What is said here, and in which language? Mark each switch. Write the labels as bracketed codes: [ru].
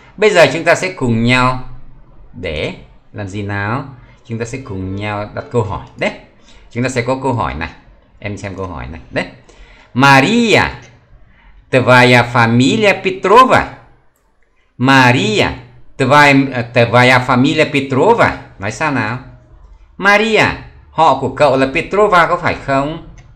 [vi] Bây giờ chúng ta sẽ cùng nhau để làm gì nào? Chúng ta sẽ cùng nhau đặt câu hỏi đấy. Chúng ta sẽ có câu hỏi này. Em xem câu hỏi này đấy. [ru] Maria, твоя фамилия Петрова. Maria, твоя фамилия Петрова. [vi] Nói sao nào? Maria, họ của cậu là Петрова có phải không?